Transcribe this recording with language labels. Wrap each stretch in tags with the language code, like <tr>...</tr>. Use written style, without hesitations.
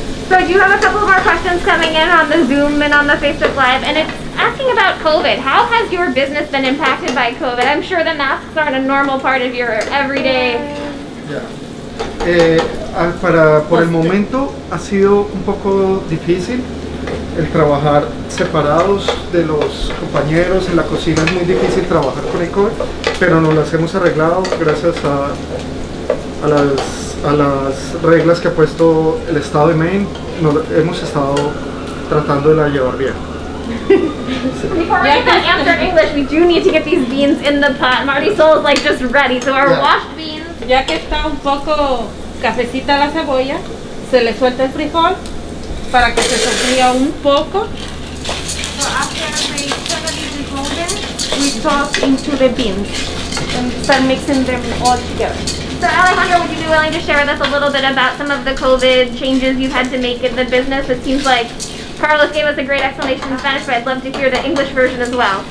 <en>So I do have a couple more questions coming in on the Zoom and on the Facebook Live, and it's asking about COVID. How has your business been impacted by COVID? I'm sure the masks aren't a normal part of your everyday. Yeah.</en> <es>Por el momento ha sido un poco difícil el trabajar separados de los compañeros en la cocina. Es muy difícil trabajar con el COVID, pero nos las hemos arreglado gracias a las reglas que ha puesto el estado de Maine. Nos hemos estado tratando de la llevar bien.</es> <en>Before we even answer English, we do need to get these beans in the pot. Marisol is like just ready, so our washed beans.</en> <es>Ya que está un poco cafecita la cebolla, se le suelta el frijol para que se sofría un poco.</es> <en>So after we turn these golden, we toss into the beans and start mixing them all together. So Alejandro, would you be willing to share with us a little bit about some of the COVID changes you've had to make in the business? It seems like Carlos gave us a great explanation in Spanish, but I'd love to hear the English version as well.</en>